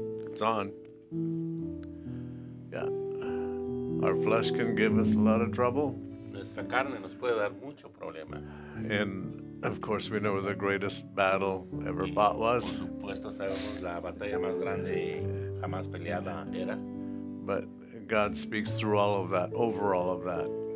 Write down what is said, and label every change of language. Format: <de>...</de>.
<en>It's on. Yeah. Our flesh can give us a lot of trouble.</en> <es>Nuestra carne nos puede dar mucho problema.</es> <en>And of course we know the greatest battle ever fought was.</en> <es>Por supuesto sabemos la batalla más grande jamás peleada era.</es> <en>But God speaks through all of that, over all of that.</en>